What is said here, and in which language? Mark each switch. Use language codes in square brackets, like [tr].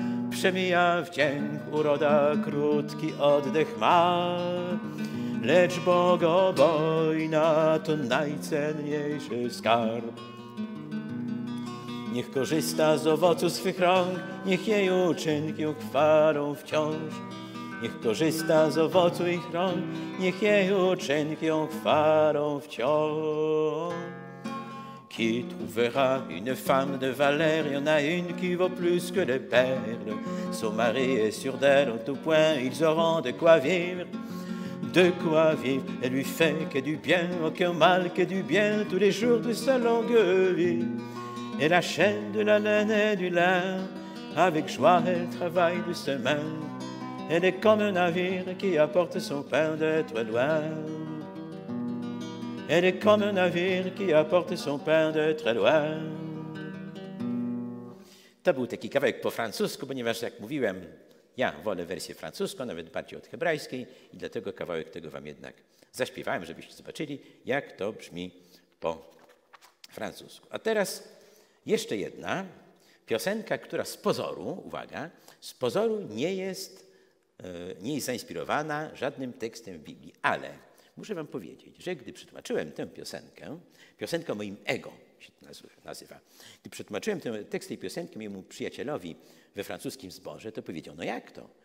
[pl] Przemija wdzięk, uroda krótki oddech ma, lecz bogobojna to najcenniejszy skarb. Niech korzysta z owocu swych rąk, niech jej uczynki uchwalą wciąż. niech korzysta z owocu ich rąk, niech jej uczynkią chwalą wciąż. [fr] Qui trouvera une femme de valeur, y en a une qui vaut plus que des perles. Son mari est sûr d'elle en tout point, ils auront de quoi vivre, de quoi vivre. Elle lui fait que du bien, aucun mal que du bien, tous les jours de sa longue vie. Et la chaîne de la laine et du lin, avec joie elle travaille de ses mains. Elle est comme un navire qui apporte son pain d'être loin. Elle est comme un navire qui apporte son pain de très loin. [pl] To był taki kawałek po francusku, ponieważ jak mówiłem, ja wolę wersję francuską, nawet bardziej od hebrajskiej i dlatego kawałek tego wam jednak zaśpiewałem, żebyście zobaczyli, jak to brzmi po francusku. A teraz jeszcze jedna piosenka, która z pozoru, uwaga, z pozoru nie jest zainspirowana żadnym tekstem w Biblii, ale muszę wam powiedzieć, że gdy przetłumaczyłem tę piosenkę, piosenka o moim ego się nazywa, gdy przetłumaczyłem ten tekst tej piosenki mojemu przyjacielowi we francuskim zborze, to powiedział, no jak to?